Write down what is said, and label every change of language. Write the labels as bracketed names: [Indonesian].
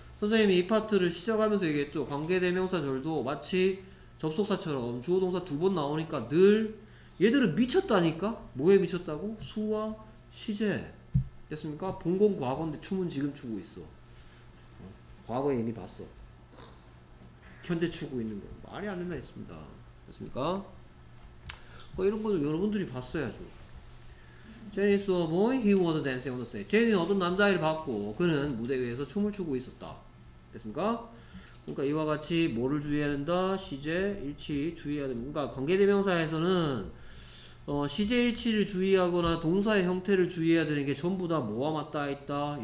[Korean] 선생님이 이 파트를 시작하면서 얘기했죠. 관계대명사 절도 마치 접속사처럼 주어동사 두 번 나오니까 늘 얘들은 미쳤다니까? 뭐에 미쳤다고? 수와 시제. 됐습니까? 본건 과거인데 춤은 지금 추고 있어. 과거에 이미 봤어. 현재 추고 있는 거. 말이 안 된다 했습니다. 됐습니까? 이런 것들 여러분들이 봤어야죠. [English] Jenny saw a boy, he was dancing on the stage. [Korean] Jenny는 어떤 남자아이를 봤고 그는 무대 위에서 춤을 추고 있었다. 됐습니까? 그러니까 이와 같이 뭐를 주의해야 된다? 시제, 일치, 주의해야 된다. 그러니까 관계대명사에서는 시제일치를 주의하거나 동사의 형태를 주의해야 되는 게 전부 다 뭐와 맞닿아 있다.